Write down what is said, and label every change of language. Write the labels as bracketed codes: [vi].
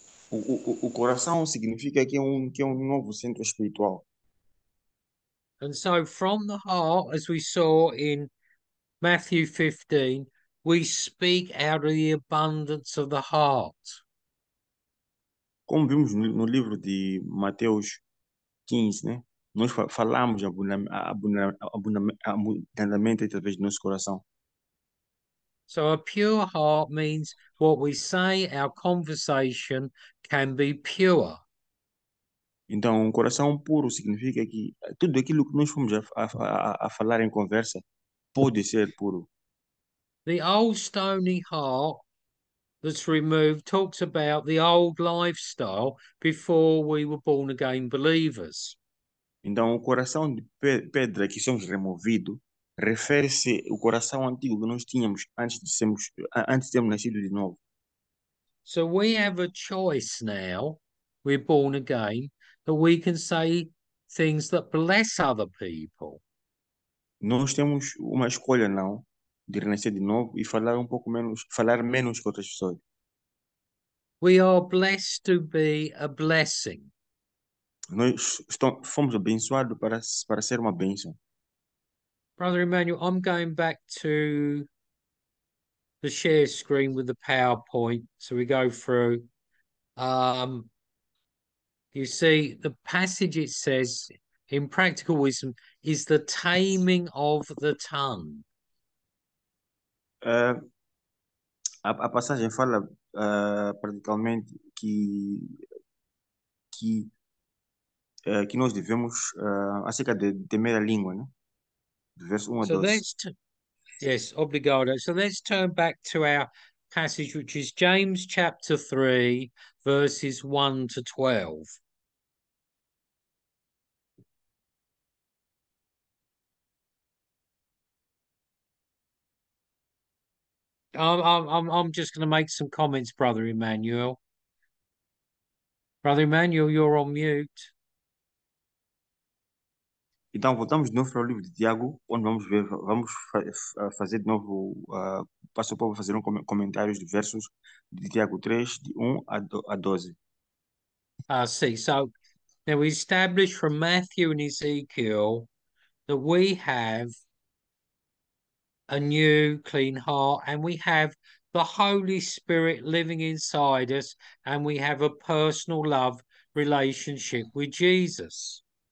[pt] O coração significa que é um novo centro espiritual. [en] And so from the heart, as we saw in Matthew 15, we speak out of the abundance of the heart. [pt] Como vimos no livro de Mateus 15, né? Nós falamos abundantemente através do nosso coração. [en] So a pure heart means what we say, our conversation can be pure. [pt] Então, um coração puro significa que tudo aquilo que nós fomos a falar em conversa pode ser puro. [en] The old stony heart that's removed talks about the old lifestyle before we were born again believers. [pt] Então, o coração de pedra que somos removido refere-se ao coração antigo que nós tínhamos antes de termos nascido de novo. [en] So we have a choice now, we're born again, that we can say things that bless other people. [pt] Nós temos uma escolha, não, de renascer de novo e falar menos com outras pessoas. [en] We are blessed to be a blessing. [pt] Fomos abençoados para ser uma bênção. [en] Brother Emmanuel, I'm going back to the share screen with the PowerPoint. So we go through. You see, the passage it says in practical wisdom is the taming of the tongue. [pt] A passagem fala praticamente que nós devemos acerca de temer a língua, né? Do verso 1 a [en] So [pt] 12. [en] let's t yes, [pt] obrigado. [en] So let's turn back to our passage, which is James chapter 3, verses 1 to 12. I'm just going to make some comments, Brother Emmanuel. Brother Emmanuel, you're on mute. [pt] Então, voltamos de novo para o livro de Tiago, onde vamos fazer de novo, passo para fazer um comentários de versos de Tiago 3, de 1 a 12. [en] See, so now we establish from Matthew and Ezekiel that we have a new clean heart, and we have the Holy Spirit living inside us, and we have a personal love relationship with Jesus.